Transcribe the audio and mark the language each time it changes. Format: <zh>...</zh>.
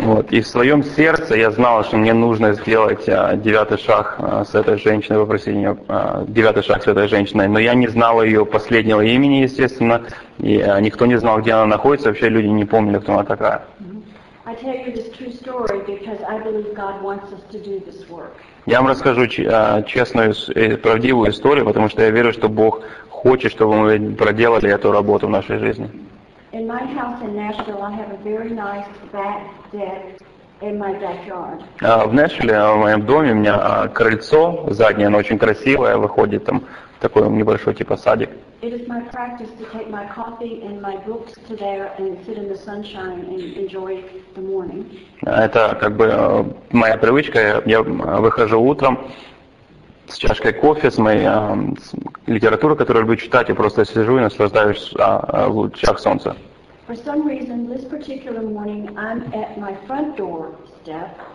<ru>И в своем сердце я знала, что мне нужно сделать девятый шаг с этой женщиной, но я не знала ее последнего имени, естественно, и никто не знал, где она находится, вообще люди не помнили, кто она такая.</ru> <en>I tell you this true story because I believe God wants us to do this work.</en> <ru>Я вам расскажу честную и правдивую историю, потому что я верю, что Бог хочет, чтобы мы проделали эту работу в нашей жизни.</ru> <en>In my house in Nashville, I have a very nice back deck in my backyard.</en> <ru>В Нэшвилле, в моем доме, у меня крыльцо заднее, оно очень красивое, выходит там такой небольшой типа садик.</ru> <en>It is my practice to take my coffee and my books to there and sit in the sunshine and enjoy the morning.</en> <ru>Это как бы моя привычка. Я выхожу утром с чашкой кофе, с моей литературой, которую люблю читать, и просто сижу и наслаждаюсь лучами солнца.</ru> <en>For some reason, this particular morning, I'm at my front door step.</en>